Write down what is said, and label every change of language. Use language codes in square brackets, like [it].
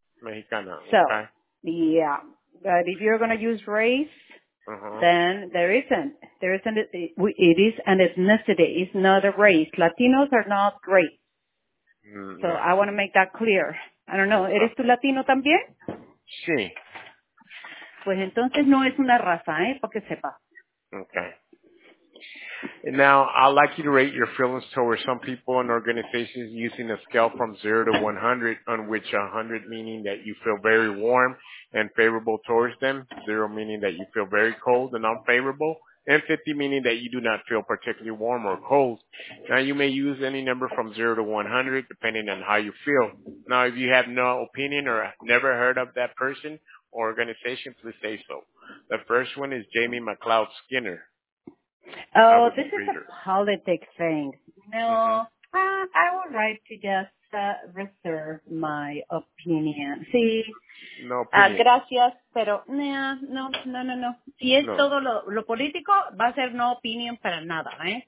[es] Mexicana, [en] so, okay. Yeah, but if you're going to use race, then there isn't. It is an ethnicity. It's not a race. Latinos are not race. So I want to make that clear. I don't know. [es] ¿Eres tú Latino también? Sí. Pues entonces no es una raza, ¿eh? Porque sepa. [en] Okay. And now, I'd like you to rate your feelings towards some people and organizations using a scale from 0 to 100, on which 100 meaning that you feel very warm and favorable towards them, 0 meaning that you feel very cold and unfavorable, and 50 meaning that you do not feel particularly warm or cold. Now, you may use any number from 0 to 100, depending on how you feel. Now, if you have no opinion or never heard of that person or organization, please say so. The first one is Jamie McLeod Skinner. Oh, this is a politics thing. No, I would like to just reserve my opinion. [es] Sí. [en] No opinion. [es] Gracias, pero no. Si es todo lo político, va a ser [en] no opinion [es] para nada, ¿eh?